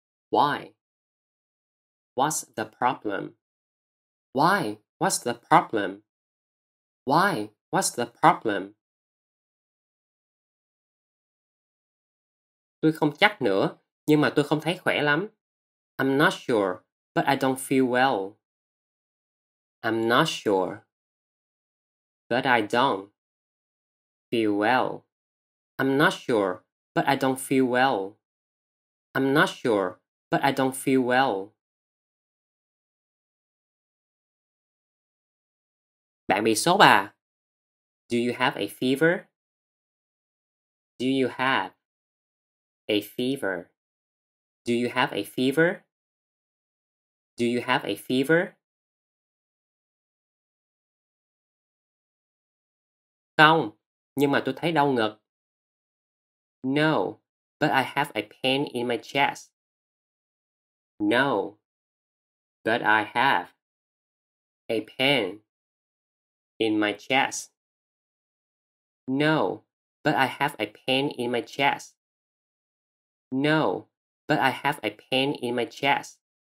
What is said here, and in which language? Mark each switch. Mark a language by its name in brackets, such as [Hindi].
[English] Why? What's the problem? Why? What's the problem? Why? What's the problem? [Vietnamese] Tôi không chắc nữa, nhưng mà tôi không thấy khỏe lắm. [English] I'm not sure, but I don't feel well. I'm not sure, but I don't feel well. I'm not sure, but I don't feel well. I'm not sure, but I don't feel well. [Vietnamese] Bạn bị sốt à? [English] Do you have a fever? Do you have a fever? Do you have a fever? Do you have a fever? [Vietnamese] Không, nhưng mà tôi thấy đau ngực. [English] No, but I have a pain in my chest. No, but I have a pain in my chest. No, but I have a pain in my chest. No, but I have a pain in my chest.